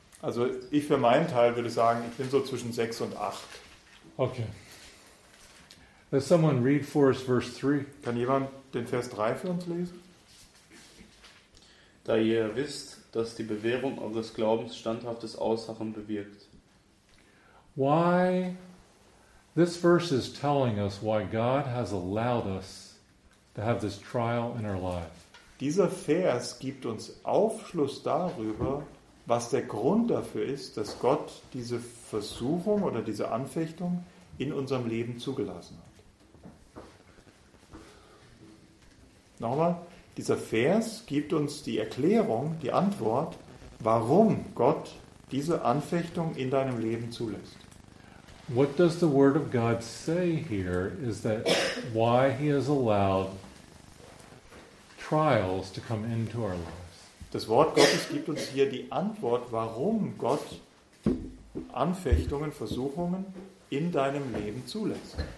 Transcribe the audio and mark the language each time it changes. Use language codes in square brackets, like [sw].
[de] Also ich für meinen Teil würde sagen, ich bin so zwischen 6 und 8. [en] Okay. Does someone read for us verse 3? [de] Kann jemand den Vers 3 für uns lesen? Da ihr wisst, dass die Bewährung eures Glaubens standhaftes Ausharren bewirkt. [en] Why? This verse is telling us why God has allowed us to have this trial in our life. [de] Dieser Vers gibt uns Aufschluss darüber, was der Grund dafür ist, dass Gott diese Versuchung oder diese Anfechtung in unserem Leben zugelassen hat. Nochmal, dieser Vers gibt uns die Erklärung, die Antwort, warum Gott diese Anfechtung in deinem Leben zulässt. [en] What does the Word of God say here is that why he has allowed trials to come into our lives. [de] Das Wort Gottes gibt uns hier die Antwort, warum Gott Anfechtungen, Versuchungen in deinem Leben zulässt.